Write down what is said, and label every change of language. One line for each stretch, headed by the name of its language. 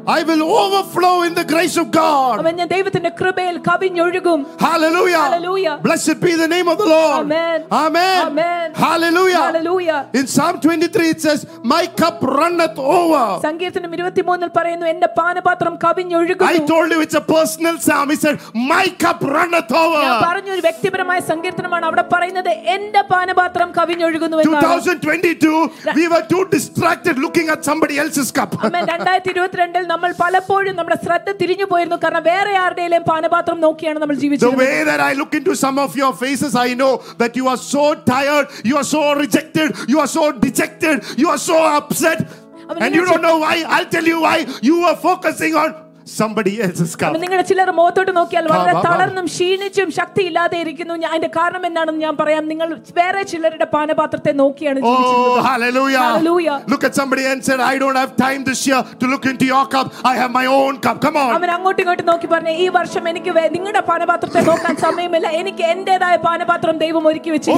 English: I will overflow in the grace of God.
Malayalam: അവൻ ദൈവത്തിന്റെ കൃപയിൽ കവിഞ്ഞൊഴുകും.
English: Hallelujah. Hallelujah. Blessed be the name of the Lord. Amen. Amen. Amen. Hallelujah. Hallelujah. In Psalm 23 it says, my cup runneth over.
Malayalam: സംഗീതം 23 ൽ പറയുന്നു, എൻ്റെ പാനപാത്രം കവിഞ്ഞൊഴുകുന്നു.
English: I told you it's a personal psalm. He said, my cup runneth over.
Malayalam: ഞാൻ പറഞ്ഞു, ഒരു വ്യക്തിപരമായ സംഗീതമാണ്. അവിടെ പറയുന്നത് എൻ്റെ പാനപാത്രം കവിഞ്ഞൊഴുകുന്നു എന്നാണ്.
English: 2022 we were too distracted looking at somebody else's cup. Amen.
Malayalam: 2022 ൽ നമ്മൾ പലപ്പോഴും നമ്മുടെ ശ്രദ്ധ തിരിഞ്ഞു പോയിരുന്നു, കാരണം വേറെ ആരുടെയെങ്കിലും പാനപാത്രം നോക്കിയാണ് നമ്മൾ ജീവിച്ചത്.
English: The way that I look into some of your faces, I know that you are so tired, you are so rejected, you are so dejected, you are so upset, and you don't know why. I'll tell you why. You are focusing on somebody else's cup.
Malayalam: നിങ്ങളെ ചിലർ മുഖത്തോട്ട് നോക്കിയാൽ വളരെ തളർന്നും ക്ഷീണിച്ചും ശക്തി ഇല്ലാതെ ഇരിക്കുന്നു. അതിന്റെ കാരണം എന്താണെന്ന് ഞാൻ പറയാം. നിങ്ങൾ വേറെ ചിലരുടെ പാനപാത്രത്തെ നോക്കിയാണ് ജീവിച്ചിരിക്കുന്നത്.
English: Hallelujah. Hallelujah. Look at somebody and said, I don't have time this year to look into your cup. I have my own cup. Come on.
Malayalam: അവൻ അങ്ങോട്ടും ഇങ്ങോട്ടും നോക്കി പറഞ്ഞു, ഈ വർഷം എനിക്ക് നിങ്ങളുടെ പാനപാത്രത്തെ നോക്കാൻ സമയമില്ല, എനിക്ക് എന്റേതായ പാനപാത്രം ദൈവം ഒരുക്കി